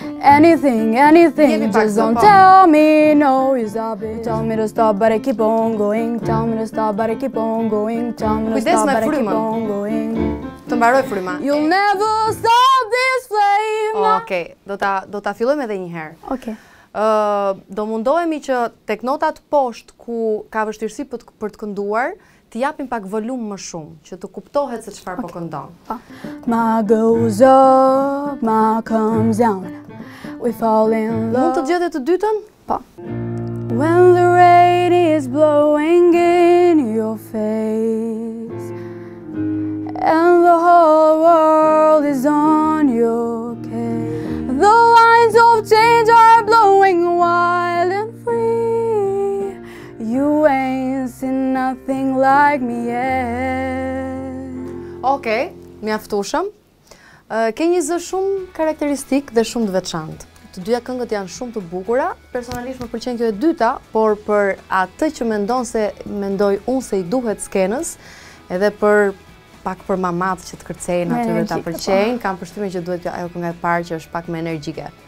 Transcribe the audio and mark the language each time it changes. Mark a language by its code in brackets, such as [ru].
[en] Anything, anything, just don't tell me no, you stop it. Tell me to stop, but I keep on going. Tell me to stop, but I keep on going. Tell me to stop, but I keep on going. [sq] Të mbaroj fryma. [en] You'll never stop this flame. [sq] Oh, okay, do ta fillojmë edhe një herë. Okay. Do mundohemi që tek notat poshtë ku ka vështirësi për të kënduar, t'i japim pak volum më shumë, që të kuptohet se çfarë po këndon. [en] My goes up, my comes down. We fall in love. [sq] Mund të gjete të dytën? Po. [en] When the rain is blowing in your face and the whole world is on your case. The lines of change are blowing wild and free. You ain't seen nothing like me yet. [sq] Okej, mjaftushëm. Ke një zë shumë karakteristik dhe shumë të veçantë. Të dyja këngët janë shumë të bukura. Personalisht më pëlqen kjo e dyta, por për atë që mendoj unë se i duhet skenës, edhe për pak për mamat që të kërcejnë aty dhe ta pëlqejnë, kam përshtypjen që duhet ajo kënga e parë që është pak më energjike.